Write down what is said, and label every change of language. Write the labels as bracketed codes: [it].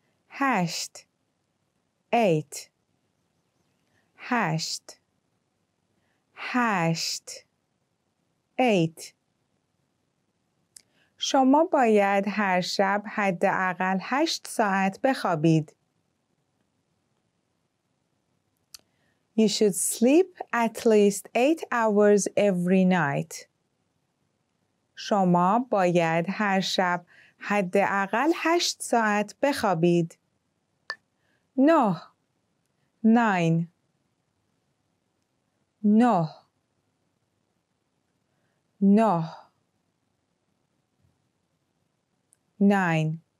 [fa] 8 8 8 8 8 شما باید هر شب حداقل 8 ساعت بخوابید. [en] You should sleep at least 8 hours every night. [fa] شما باید هر شب حداقل 8 ساعت بخوابید. 9 9 9 9